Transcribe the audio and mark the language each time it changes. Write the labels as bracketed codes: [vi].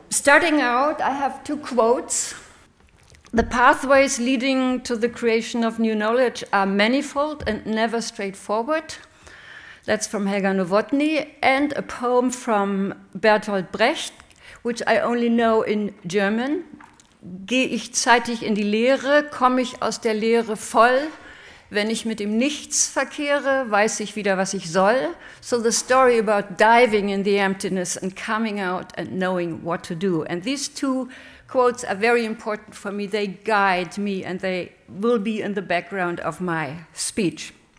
[en] Starting out, I have two quotes. The pathways leading to the creation of new knowledge are manifold and never straightforward. That's from Helga Novotny, and a poem from Bertolt Brecht, which I only know in German. [de] Gehe ich zeitig in die Leere, komme ich aus der Leere voll. Wenn ich mit dem Nichts verkehre, weiß ich wieder, was ich soll. [en] So the story about diving in the emptiness and coming out and knowing what to do. And these two quotes are very important for me. They guide me and they will be in the background of my speech.